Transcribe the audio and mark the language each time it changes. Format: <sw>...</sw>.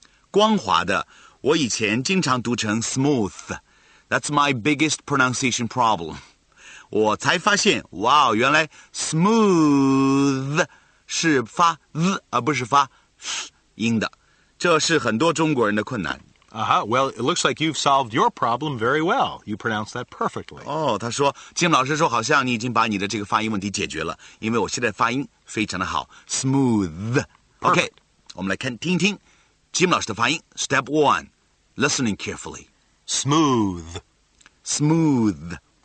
<zh>光滑的。我以前经常读成 smooth.</zh> <en>That's my biggest pronunciation problem.</en> <zh>我才发现，哇，原来 smooth 是发 z 而不是发 s 音的。这是很多中国人的困难。 Uh-huh.</zh> <en>Well, it looks like you've solved your problem very well. You pronounced that perfectly.</en> <zh>Oh, 他说 ,Jim 老师说好像你已经把你的这个发音问题解决了,因为我现在发音非常的好。 Smooth. OK, 我们来看听听 Jim 老师的发音。</zh> <en>Step 1, listening carefully. Smooth. Smooth.</en>